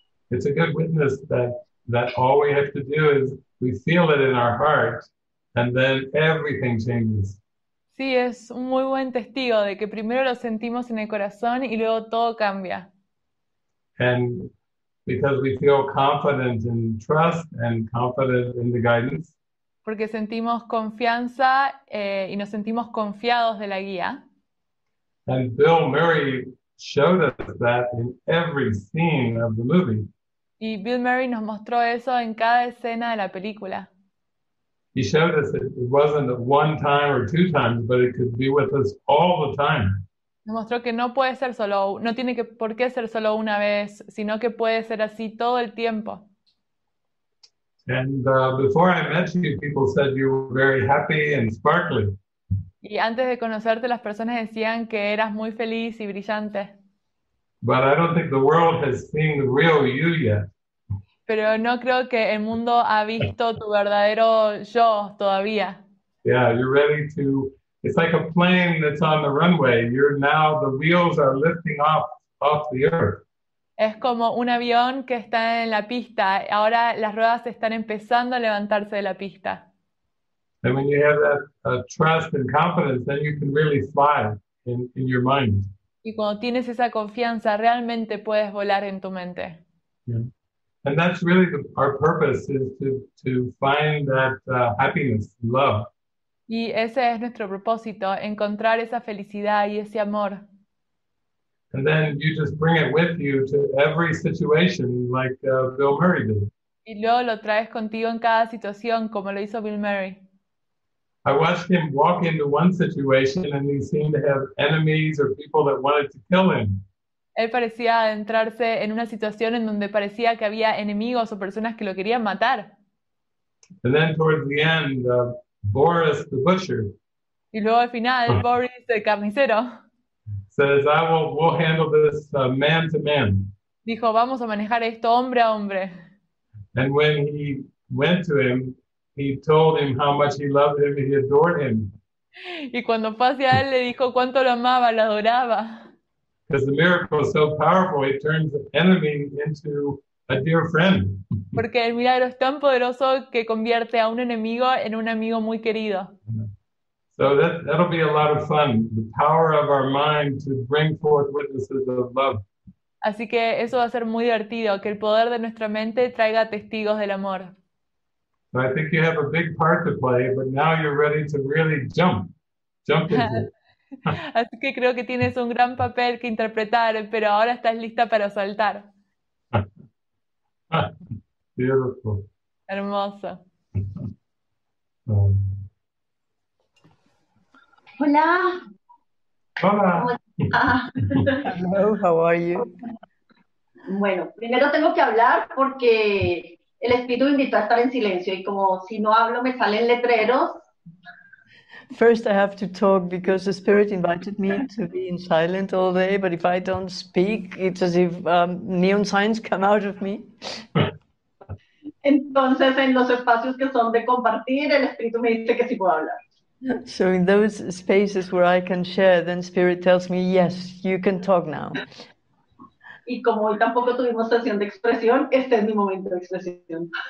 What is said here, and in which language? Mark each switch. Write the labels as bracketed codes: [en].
[en] It's a good witness that all we have to do is we feel it in our heart, and then everything changes. [es] Sí, es un muy buen testigo de que primero lo sentimos en el corazón y luego todo cambia. [en] And because we feel confident in trust and confident in the guidance. [es] Porque sentimos confianza y nos sentimos confiados de la guía. [en] And Bill Murray showed us that in every scene of the movie. [es] Y Bill Murray nos mostró eso en cada escena de la película. [en] He showed us that it wasn't one time or two times, but it could be with us all the time. [es] Nos mostró que no puede ser solo, no tiene que por qué ser solo una vez, sino que puede ser así todo el tiempo. [en] And before I met you, people said you were very happy and sparkly. [es] Y antes de conocerte, las personas decían que eras muy feliz y brillante. [en] But I don't think the world has seen the real you yet. [es] Pero no creo que el mundo ha visto tu verdadero yo todavía. [en] Yeah, you're ready to... It's like a plane that's on the runway. You're now... The wheels are lifting off the earth. [es] Es como un avión que está en la pista. Ahora las ruedas están empezando a levantarse de la pista. [en] And when you have that trust and confidence, then you can really fly in your mind. [es] Y cuando tienes esa confianza, realmente puedes volar en tu mente. [en] Yeah. And that's really our purpose, is to find that happiness, love. [es] Y ese es nuestro propósito, encontrar esa felicidad y ese amor. [en] And then you just bring it with you to every situation, like Bill Murray did. [es] Y luego lo traes contigo en cada situación, como lo hizo Bill Murray. [en] I watched him walk into one situation and he seemed to have enemies or people that wanted to kill him. [es] Él parecía adentrarse en una situación en donde parecía que había enemigos o personas que lo querían matar. [en] And then towards the end, Boris the butcher. [es] Y luego al final, Boris el carnicero. [en] Says, we'll handle this man to man. [es] Dijo, vamos a manejar esto hombre a hombre. [en] And when he went to him, He told him how much he loved him, he adored him. [es] Y cuando fue hacia él, le dijo cuánto lo amaba, lo adoraba. [en] Because the miracle is so powerful, it turns the enemy into a dear friend. [es] Porque el milagro es tan poderoso que convierte a un enemigo en un amigo muy querido. [en] So that'll be a lot of fun, the power of our mind to bring forth witnesses of love. [es] Así que eso va a ser muy divertido, que el poder de nuestra mente traiga testigos del amor. [en] So I think you have a big part to play, but now you're ready to really jump into it. [es] Así que creo que tienes un gran papel que interpretar, pero ahora estás lista para saltar. [en] Beautiful. [es] Hermoso. Hola. Hola. [en] Hola. Hello, how are you? [es] Bueno, primero tengo que hablar porque el espíritu me invitó a estar en silencio y como si no hablo me salen letreros. [en] First I have to talk because the spirit invited me to be in silent all day, but if I don't speak, it's as if neon signs come out of me. [es] Entonces en los espacios que son de compartir, el espíritu me dice que sí puedo hablar. [en] So in those spaces where I can share, then spirit tells me, yes, you can talk now. [es] Y como hoy tampoco tuvimos sesión de expresión, este es mi momento de expresión.